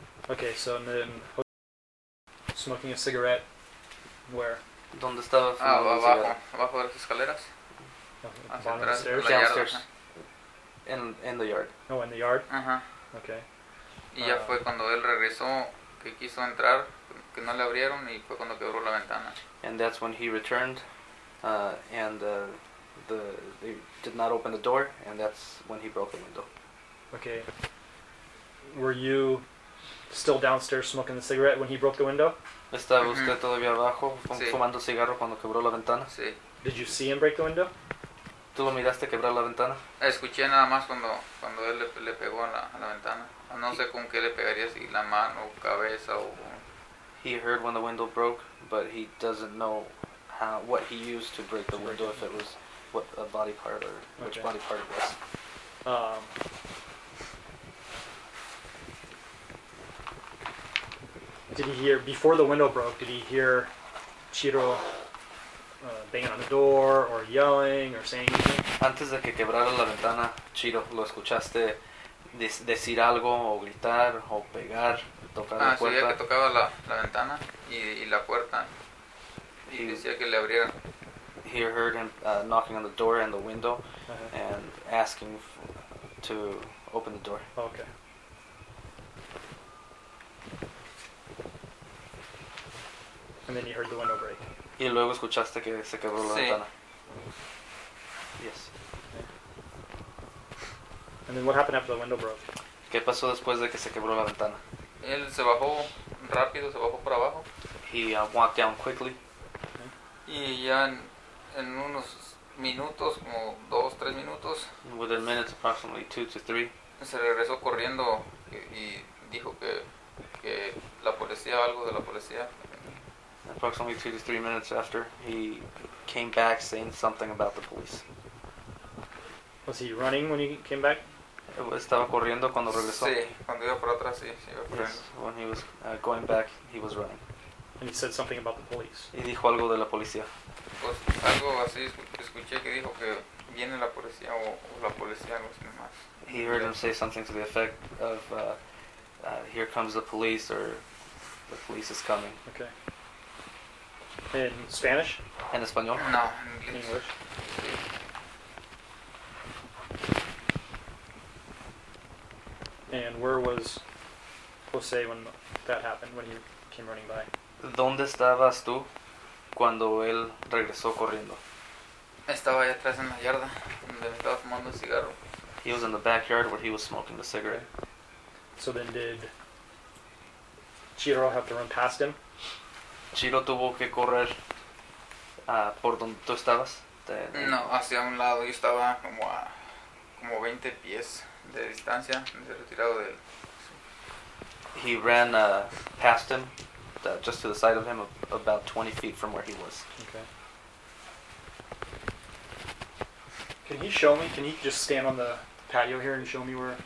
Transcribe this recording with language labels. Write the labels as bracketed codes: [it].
[en] Okay, so then smoking a cigarette. Where? [es] ¿Dónde estaba fumando? Ah, abajo, abajo de las escaleras. [en] Okay. [es] Atrás, [en] downstairs. In the yard. Oh, in the yard. Ajá. Okay. [es] Y ya fue cuando él regresó que quiso entrar, que no le abrieron y fue cuando quebró la ventana. [en] And that's when he returned, they did not open the door, and that's when he broke the window. Okay. Were you still downstairs smoking the cigarette when he broke the window? [es] Estaba mm-hmm. usted todavía abajo fumando cigarro cuando quebró la ventana. Sí. [en] Did you see him break the window? [es] ¿Tú lo miraste quebrar la ventana? Escuché nada más cuando él le pegó a la ventana. No sé con qué le pegaría, si la mano, cabeza o... [en] He heard when the window broke, but he doesn't know what he used to break the window, if it was what a body part or which okay. body part it was. Did he hear Chiro... banging on the door, or yelling, or saying anything. [es] Antes de que quebrara la ventana, Chiro, ¿lo escuchaste decir algo, o gritar, o pegar, tocar la puerta? Ah, sí, que tocaba la ventana y la puerta, y decía que le abrieran. [en] He heard him knocking on the door and the window, uh-huh. and asking to open the door. Okay. And then he heard the window break. [es] Y luego escuchaste que se quebró la sí. ventana. [en] Yes. And then what happened after the window broke? [es] ¿Qué pasó después de que se quebró la ventana? Él se bajó rápido, se bajó para abajo. [en] He walked down quickly. Okay. [es] Y ya en unos minutos, como dos, tres minutos. [en] Within minutes, approximately 2 to 3. [es] Se regresó corriendo y dijo que la policía, algo de la policía. [en] Approximately 2 to 3 minutes after, he came back saying something about the police. Was he running when he came back? [es] Estaba corriendo cuando regresó. Sí, cuando iba por atrás, sí, iba corriendo. [en] Yes, when he was going back, he was running. And he said something about the police. [es] Y dijo algo de la policía. Pues algo así, escuché que dijo que viene la policía o la policía, no sé más. [en] He heard him say something to the effect of, here comes the police, or the police is coming. Okay. In Spanish? [es] En español? No, [en] in English. And where was Jose when that happened, when he came running by? [es] ¿Dónde estabas tú cuando él regresó corriendo? Estaba allá atrás en la yarda, donde estaba fumando el cigarro. [en] He was in the backyard where he was smoking the cigarette. So then did Chiro have to run past him? [es] Chiro tuvo que correr por donde tú estabas. No, hacia un lado. Yo estaba como 20 pies de distancia, de retirado de él. [en] He ran past him, just to the side of him, about 20 feet from where he was. Okay. Can he show me? Can he just stand on the patio here and show me where?